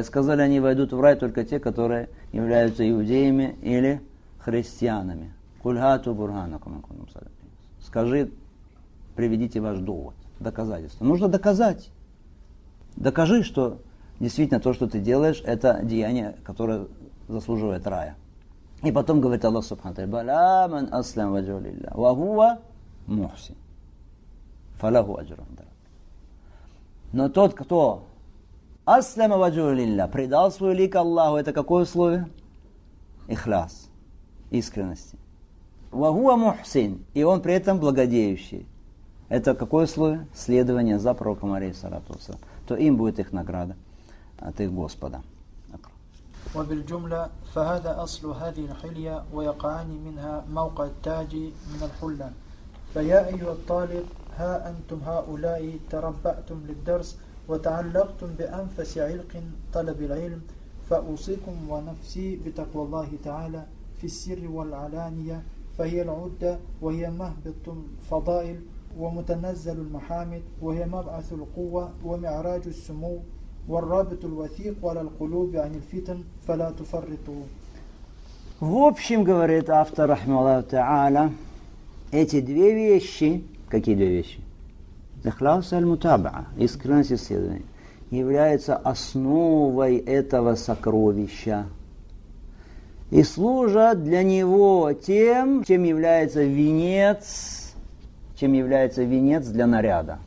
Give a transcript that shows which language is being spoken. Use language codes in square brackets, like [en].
[ru] И сказали, они войдут в рай только те, которые являются иудеями или христианами. [ar] قُلْ هَاتُوا بُرْهَانَكُمْ إِنْ كُنْتُمْ صَادِقِينَ. [ru] Скажи, приведите ваш довод, доказательство. Нужно доказать. Докажи, что действительно то, что ты делаешь, это деяние, которое заслуживает рая. И потом говорит Аллах Субхану Тааля, [ar] بَلَا مَنْ أَسْلَمَ وَجْهَهُ لِلَّهِ وَهُوَ مُحْسِنٌ فَلَهُ أَجْرٌ. [ru] Но тот, кто аслама ваджуху лилля, предал свой лик Аллаху, это какое условие? Ихлас, искренности. Вахуа мухсин, и он при этом благодеющий. Это какое условие? Следование за пророком алейхи саляту ва салям. То им будет их награда от их Господа. [ar] وبال جملة فهذا أصل هذه الحلية ويقعان منها موقع التاج من الحلة. فيا أيها الطالب ها أنتم هؤلاء تربعتم للدرس وتعلقتم بأنفس علق طلب العلم فأوصيكم ونفسي بتقوى الله تعالى في السر والعلانية فهي العدة وهي مهبط فضائل ومتنزل المحامد وهي مبعث القوة ومعراج السمو والرابط الوثيق على القلوب عن الفتن فلا تفرطوا. [ru] В общем, говорит автор, [ar] رحمه الله تعالى, [ru] эти две вещи. Какие две вещи? Ихлас аль-мутаба'а, искренность исследования, является основой этого сокровища. И служат для него тем, чем является венец для наряда.